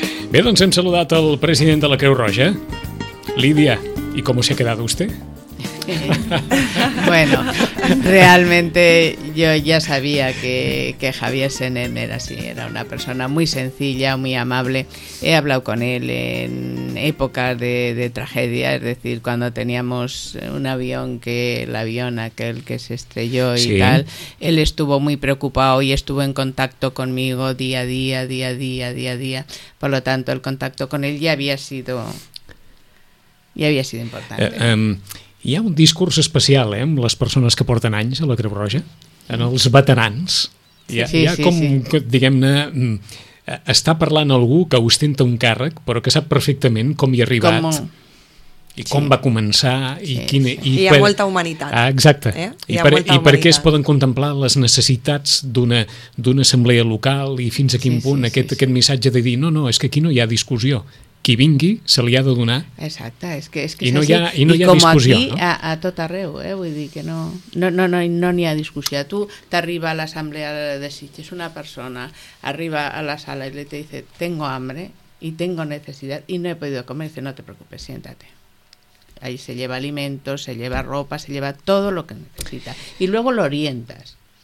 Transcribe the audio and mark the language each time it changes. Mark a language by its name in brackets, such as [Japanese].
[Catalan] Bé, doncs hem saludat el president de la Creu Roja, Lídia, i com s'ha quedat vostè? [Spanish] Bueno, realmente yo ya sabía que Javier Senén era así, era una persona muy sencilla, muy amable. He hablado con él en épocas de tragedia, es decir, cuando teníamos un avión, que el avión aquel que se estrelló y sí. Tal, él estuvo muy preocupado y estuvo en contacto conmigo día a día. Por lo tanto, el contacto con él ya había sido importante. [Catalan] Hi ha un discurs especial amb les persones que porten anys a la Creu Roja, en els veterans. Diguem-ne, està parlant algú que ostenta un càrrec, però que sap perfectament com hi ha arribat, com va començar, hi ha molta humanitat. Exacte. I per què es poden contemplar les necessitats d'una assemblea local i fins a quin punt aquest missatge de dir no, és que aquí no hi ha discussió. Qui vingui, se li ha de donar. Exacte, és que i no hi ha, i no i hi ha com discussió. Com aquí, no? a tot arreu, vull dir que no n'hi ha discussió. Tu t'arriba a l'assemblea de Sitges, una persona arriba a la sala i li [Spanish] te dice: tengo hambre y tengo necesidad y no he podido comer. Dice: no te preocupes, siéntate. Ahí se lleva alimentos, se lleva ropa, se lleva todo lo que necesita. Y luego lo orientas.